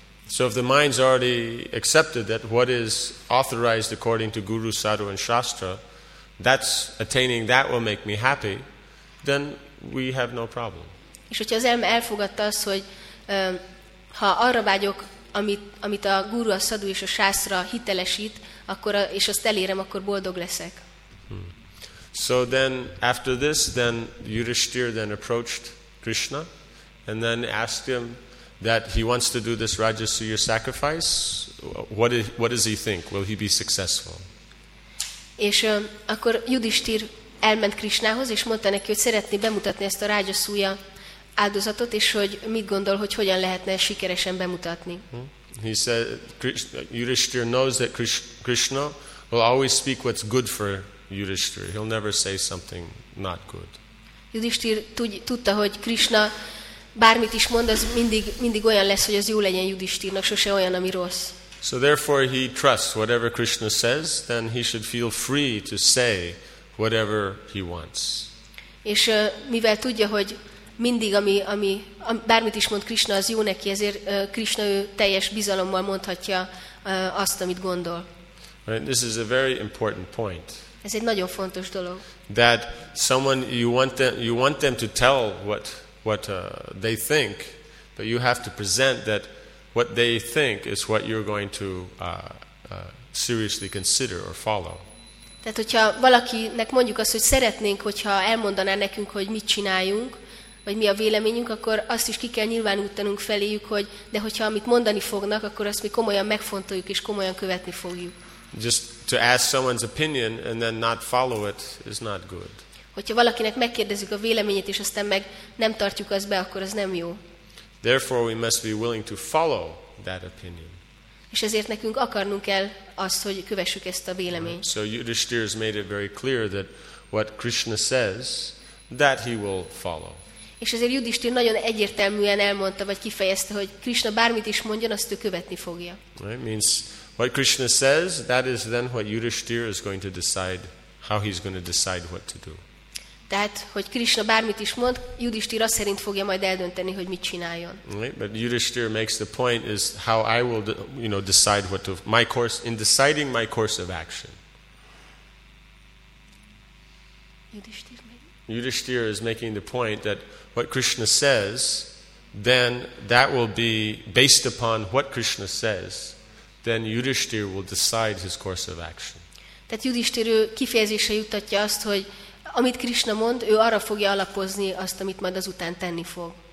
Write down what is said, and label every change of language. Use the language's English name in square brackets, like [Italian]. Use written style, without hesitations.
[English] So if the mind's already accepted that what is authorized according to Guru, Sadhu and Shastra, that's attaining that will make me happy, then we have no problem. [Hungarian] És hogyha az elme elfogadta azt, hogy ha arra vágyok, amit a Guru, a Sadhu és a Shastra hitelesít, akkor és azt elérem, akkor boldog leszek. [English] So then after this, then Yudhishthira then approached Krishna and then asked him that he wants to do this Rajasuya sacrifice. What does he think? Will he be successful? [Hungarian] És akkor Yudhishthira elment Krishnához és mondta neki, hogy szeretné bemutatni ezt a Rajasuya áldozatot, és hogy mit gondol, hogy hogyan lehetne sikeresen bemutatni. [English] He said Yudhishthira knows that Krishna will always speak what's good for Yudhishthira. He'll never say something not good. [Hungarian] Yudhishthira tudta, hogy Krishna bármit is mond, az mindig olyan lesz, hogy az jó legyen Yudhishthirának, sose olyan, ami rossz. [English] So therefore he trusts whatever Krishna says, then he should feel free to say whatever he wants. [Hungarian] És mivel tudja, hogy mindig ami bármit is mond Krishna, az jó neki, ezért Krishna ő teljes bizalommal mondhatja azt, amit gondol. [English] Right, this is a very important point. [Hungarian] Ez egy nagyon fontos dolog. [English] That someone you want them to tell what they think, but you have to present that what they think is what you're going to seriously consider or follow. [Hungarian] Tehát hogyha valakinek mondjuk azt, hogy szeretnénk, hogyha elmondaná nekünk, hogy mit csináljunk, vagy mi a véleményünk, akkor azt is ki kell nyilvánítanunk feléjük, hogy de hogyha amit mondani fognak, akkor azt mi komolyan megfontoljuk és komolyan követni fogjuk. [English] Just to ask someone's opinion and then not follow it is not good. [Hungarian] Hogyha valakinek megkérdezzük a véleményét és aztán meg nem tartjuk azt be, akkor az nem jó. [English] Therefore we must be willing to follow that opinion. [Hungarian] És ezért nekünk akarnunk kell azt, hogy kövessük ezt a véleményt. [English] So Yudhishthira has made it very clear that what Krishna says, that he will follow. [Hungarian] És ezért Yudhishthira nagyon egyértelműen elmondta, vagy kifejezte, hogy Krishna bármit is mondjon, azt ő követni fogja. [English] Right, means what Krishna says, that is then what Yudhishthira is going to decide, how he's going to decide what to do. [Hungarian] Tehát, hogy Krishna bármit is mond, Yudhishthira szerint fogja majd eldönteni, hogy mit csináljon. [English] Right, but Yudhishthira makes the point is how I will, decide what to, my course, in deciding my course of action. Yudhishthira is making the point that what Krishna says, then that will be based upon what Krishna says, then Yudhishthira will decide his course of action. [Hungarian] Tehát Yudhishthira kifejezése juttatja azt, hogy amit Krishna mond, ő arra fogja alapozni azt, amit majd azután tenni fog.